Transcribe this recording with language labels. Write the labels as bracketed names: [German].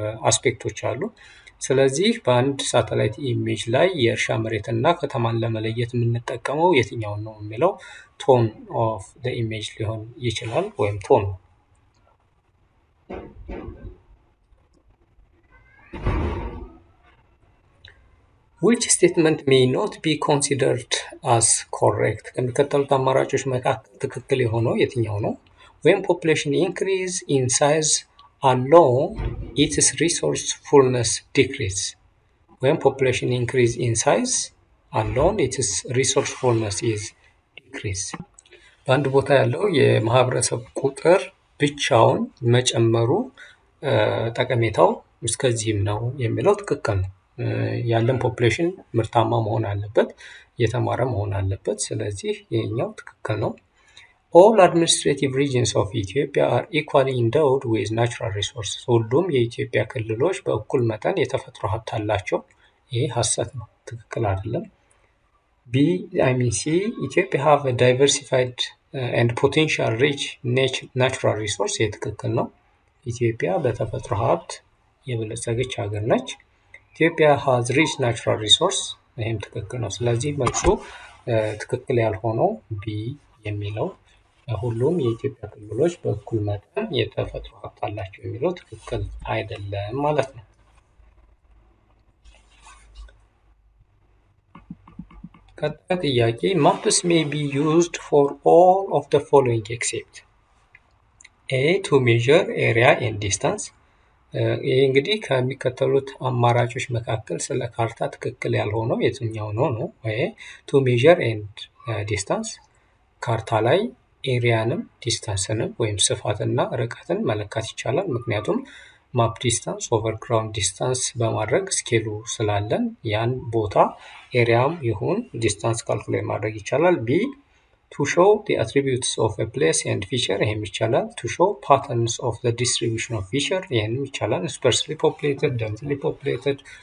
[Amharic] አስፔክቶች አሉ። ስለዚህ በአንድ ሳተላይት ኢሜጅ ላይ የእርሻ መሬትና ከተማን ለመለየት የምንጠቀመው የትኛው ነው የሚለው ቶን ኦፍ ዘ ኢሜጅ ሊሆን ይችላል ወይም ቶን። [English] Which statement may not be considered as correct? [Amharic] ከሚከተሉት አማራጮች መካከል ትክክል የሆነው የትኛው ነው? [English] When population increase in size alone, its resource fullness decreases. When population increase in size alone, its resource fullness is decreased. [Amharic] በአንድ ቦታ ያለው የማህበረሰብ ቁጥር ብቻውን መጨመሩ ጠቀሜታው እስከዚህም ነው የሚለው ትክክል ነው። ያለን ፖፕሌሽን ምርታማ መሆን አለበት፣ የተማረ መሆን አለበት። ስለዚህ ይሄኛው ትክክል ነው። [English] All administrative regions of Ethiopia are equally endowed with natural resources. [Amharic] ሁሉም የኢትዮጵያ ክልሎች በእኩል መጠን የተፈጥሮ ሀብት አላቸው። ይሄ ሐሰት ነው፣ ትክክል አይደለም። [English] B, I mean C, Ethiopia have a diversified and potential rich natural resources. [Amharic] ይሄ ትክክል ነው። ኢትዮጵያ በተፈጥሮ ሀብት የበለጸገች ሀገር ነች። [English] Ethiopia has rich natural resources. [Amharic] ይህም ትክክል ነው። ስለዚህ መልሱ ትክክል ያልሆነው ቢ የሚለው ሁሉም የኢትዮጵያ ክልሎች በእኩል መጠን የተፈጥሮ ሀብት አላቸው የሚለው ትክክል አይደለም ማለት ነው። ቀጣይ ጥያቄ [English] maps may be used for all of the following except A. to measure area and distance. [Amharic] ይህ እንግዲህ ከሚከተሉት አማራጮች መካከል ስለ ካርታ ትክክል ያልሆነው የትኛው ነው ነው? [English] ቱ ሜዥር ኤንድ ዲስታንስ፣ [Amharic] ካርታ ላይ ኤሪያንም ዲስታንስንም ወይም ስፋትና ርቀትን መለካት ይቻላል። ምክንያቱም ማፕ ዲስታንስ ኦቨር ግራውንድ ዲስታንስ በማድረግ ስኬሉ ስላለን ያን ቦታ ኤሪያም ይሁን ዲስታንስ ካልኩሌት ማድረግ ይቻላል። [English] ቢ ቱ ሾው ዘ አትሪቢዩትስ ኦፍ አ ፕሌስ ኤንድ ፊቸር፣ [Amharic] ይሄም ይቻላል። [English] ቱ ሾው ፓተርንስ ኦፍ ዘ ዲስትሪቢዩሽን ኦፍ ፊቸር፣ [Amharic] ይሄንም ይቻላል። [English] ስፐርስሊ ፖፕሌትድ፣ ደንስሊ ፖፕሌትድ